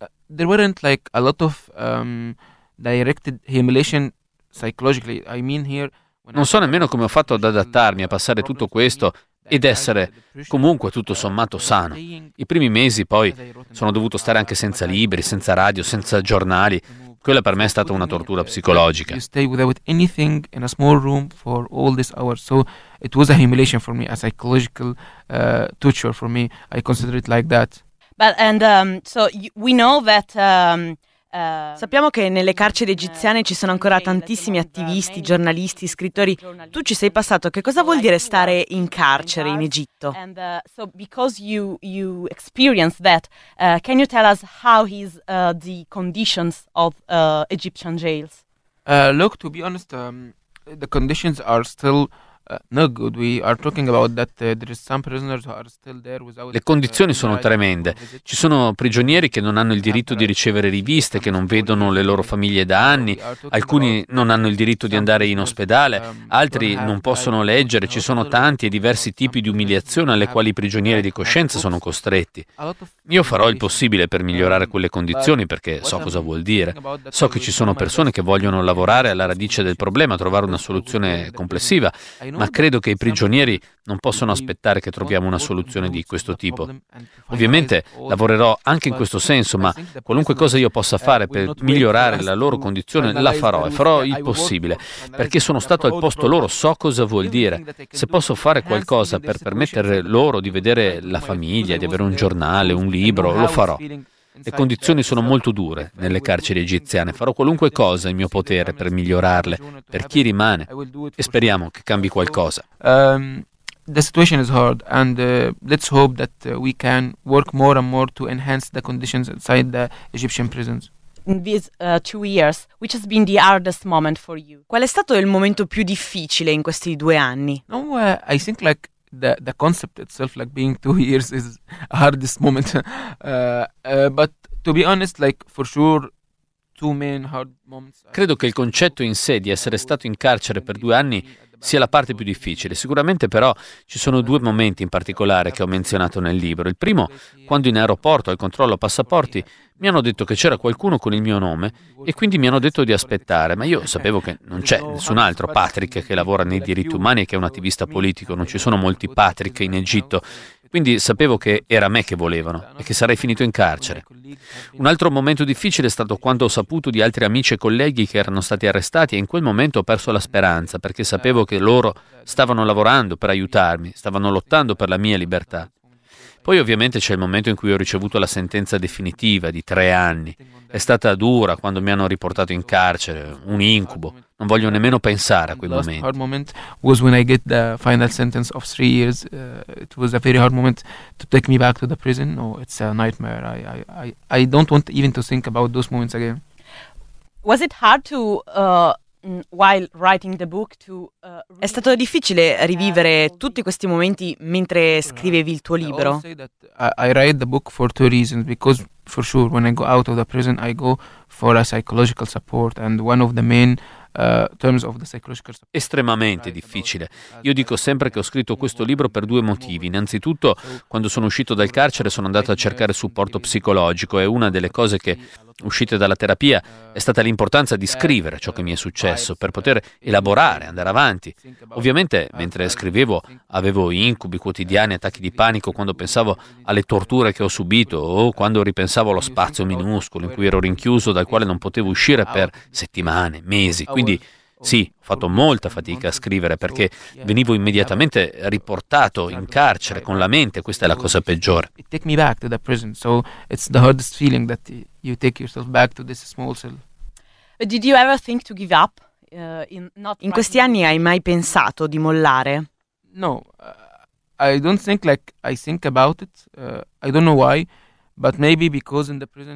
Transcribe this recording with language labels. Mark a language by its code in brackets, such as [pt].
[en] There weren't like a lot of directed humiliation psychologically. I mean here. [it] Non so nemmeno come ho fatto ad adattarmi a passare tutto questo ed essere comunque tutto sommato sano. I primi mesi poi sono dovuto stare anche senza libri, senza radio, senza giornali. Quella per me è stata una tortura psicologica. [en] You stay without anything in a small room for all these hours. So it was a humiliation for me, a psychological torture for me. I consider it like that. But and so we know that [it] sappiamo che nelle carceri egiziane ci sono ancora tantissimi attivisti, giornalisti, scrittori. Tu ci sei passato. Che cosa vuol dire stare in carcere in Egitto? [en] And so because you experienced that, can you tell us how is the conditions of Egyptian jails? Look, to be honest, the conditions are still no good. We are talking about that there is some prisoners who are still there without. [it] Le condizioni sono tremende. Ci sono prigionieri che non hanno il diritto di ricevere riviste, che non vedono le loro famiglie da anni. Alcuni non hanno il diritto di andare in ospedale, altri non possono leggere. Ci sono tanti e diversi tipi di umiliazione alle quali i prigionieri di coscienza sono costretti. Io farò il possibile per migliorare quelle condizioni perché so cosa vuol dire. So che ci sono persone che vogliono lavorare alla radice del problema, trovare una soluzione complessiva. Ma credo che i prigionieri non possono aspettare che troviamo una soluzione di questo tipo. Ovviamente lavorerò anche in questo senso, ma qualunque cosa io possa fare per migliorare la loro condizione, la farò e farò il possibile. Perché sono stato al posto loro, so cosa vuol dire. Se posso fare qualcosa per permettere loro di vedere la famiglia, di avere un giornale, un libro, lo farò. Le condizioni sono molto dure nelle carceri egiziane. Farò qualunque cosa in mio potere per migliorarle, per chi rimane, e speriamo che cambi qualcosa. [en] The situation is hard, and let's hope that we can work more and more to enhance the conditions inside the Egyptian prisons. In these two years, which has been the hardest moment for you? [it] Qual è stato il momento più difficile in questi due anni? [en] No, I think like the concept itself, like being 2 years, is the hardest moment. But to be honest, like for sure, two main hard moments. [it] Credo che il concetto in sé di essere stato in carcere per 2 anni sia la parte più difficile. Sicuramente però ci sono due momenti in particolare che ho menzionato nel libro. Il primo, quando in aeroporto al controllo passaporti mi hanno detto che c'era qualcuno con il mio nome e quindi mi hanno detto di aspettare, ma io sapevo che non c'è nessun altro Patrick che lavora nei diritti umani e che è un attivista politico, non ci sono molti Patrick in Egitto. Quindi sapevo che era me che volevano e che sarei finito in carcere. Un altro momento difficile è stato quando ho saputo di altri amici e colleghi che erano stati arrestati e in quel momento ho perso la speranza perché sapevo che loro stavano lavorando per aiutarmi, stavano lottando per la mia libertà. Poi ovviamente c'è il momento in cui ho ricevuto la sentenza definitiva di 3 anni. È stata dura quando mi hanno riportato in carcere, un incubo. Non voglio nemmeno pensare a quei momenti. [en] Hard moment was when I get the final sentence of 3 years. It was a very hard moment to take me back to the prison. No, it's a nightmare. I don't want even to think about those moments again. Was it hard to while writing the book to [it] È stato difficile rivivere tutti questi momenti mentre scrivevi il tuo libro? [en] I write the book for two reasons, because for sure when I go out of the prison I go for a psychological support, and one of the main terms of the psychological support. [it] Estremamente difficile. Io dico sempre che ho scritto questo libro per due motivi. Innanzitutto, quando sono uscito dal carcere sono andato a cercare supporto psicologico e una delle cose che uscite dalla terapia è stata l'importanza di scrivere ciò che mi è successo per poter elaborare, andare avanti. Ovviamente, mentre scrivevo, avevo incubi quotidiani, attacchi di panico quando pensavo alle torture che ho subito o quando ripensavo allo spazio minuscolo in cui ero rinchiuso, dal quale non potevo uscire per settimane, mesi. Quindi, sì, ho fatto molta fatica a scrivere perché venivo immediatamente riportato in carcere con la mente. Questa è la cosa peggiore. [en] It took me back to the prison, so it's the hardest feeling that you take yourself back to this small cell. Did you ever think to give up? In questi anni hai mai pensato di mollare? No, I don't think like I think about it. I don't know why, but maybe because in the prison.